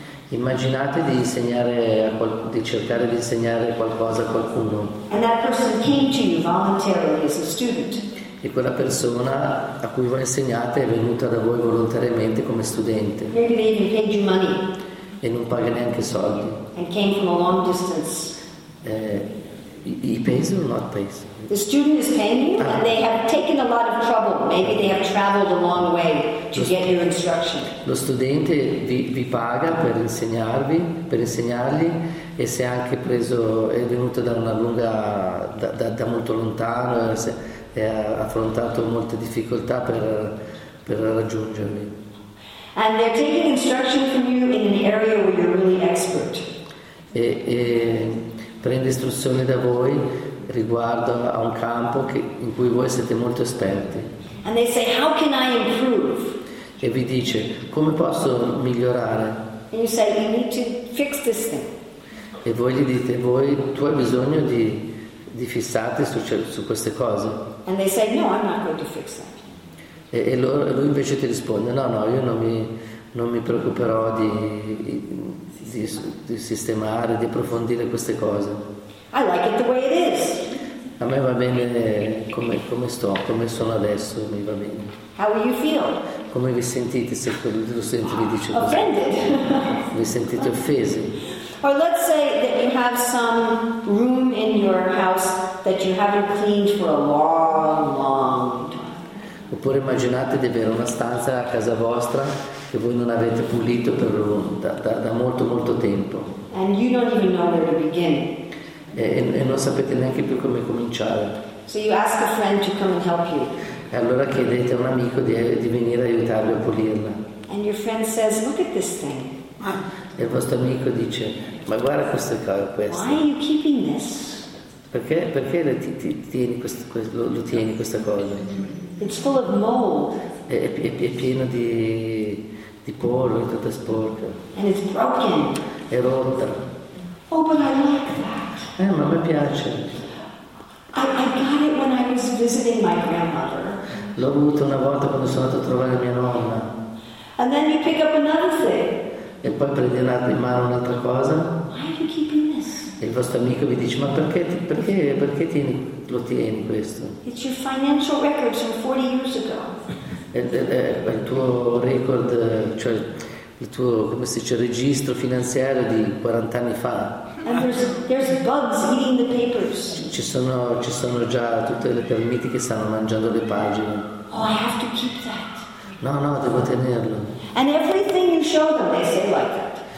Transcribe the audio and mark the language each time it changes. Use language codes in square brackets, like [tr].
[it] Immaginate di insegnare a di cercare di insegnare qualcosa a qualcuno. [en] And that person came to you voluntarily as a student. [it] E quella persona a cui voi insegnate è venuta da voi volontariamente come studente. [en] Maybe they even paid you money. [it] E non paga neanche soldi. [en] And came from a long distance. He pays or not pays? The student is paying you, and they have taken a lot of trouble. Maybe they have traveled a long way to get your instruction. [it] Lo studente vi paga per insegnarvi, per insegnargli, e se anche preso è venuto da una lunga da molto lontano e ha affrontato molte difficoltà per raggiungervi. [en] And they're taking instruction from you in an area where you're really expert. [it] E prende istruzioni da voi riguardo a un campo in cui voi siete molto esperti. [en] And they say, how can I improve? [it] E vi dice, come posso migliorare? [en] And you say, you need to fix this thing. [it] E voi gli dite, tu hai bisogno di fissarti su queste cose. [en] And they say, no, I'm not going to fix that. [it] E lui invece ti risponde, no, io non mi preoccuperò di sistemare, di approfondire queste cose. [en] I like it the way it is. [it] A me va bene come sto, come sono adesso, mi va bene. [en] How you feel? [it] Come vi sentite se quello senti mi dice così? [en] Offended. [it] Vi sentite offesi? [en] Or let's say that you have some room in your house that you haven't cleaned for a long, long time. [it] Oppure immaginate di avere una stanza a casa vostra che voi non avete pulito per da molto molto tempo. [en] And you don't even know where to begin. [it] E non sapete neanche più come cominciare. [en] So you ask a friend to come and help you. [it] E allora chiedete a un amico di venire aiutarvi a pulirla. [en] And your friend says, look at this thing. [it] E il vostro amico dice, ma guarda questo caro, questo. [en] Why are you keeping this? [it] Perché lo tieni questa cosa? [en] It's full of mold. [it] È pieno di pollo, è tutta sporca. [en] And it's broken. [it] È rotta. [en] Oh, but I like that. [it] Ma mi piace. [en] I got it when visiting my grandmother. [it] L'ho avuto una volta quando sono andato a trovare mia nonna. [en] And then you pick up another thing. [it] E poi prendi in mano un'altra cosa. [en] Why are you keeping this? [it] E il vostro amico vi dice, ma perché tieni, lo tieni questo? [en] It's your financial records from 40 years ago. [it] È il tuo record, cioè il tuo, come si dice, registro finanziario di 40 anni fa. [en] And there's bugs eating the papers. [it] Ci sono già tutte le termiti che stanno mangiando le pagine. [en] Oh, I have to keep that. [it] No, devo tenerlo. [en] And everything you show them, they say like that.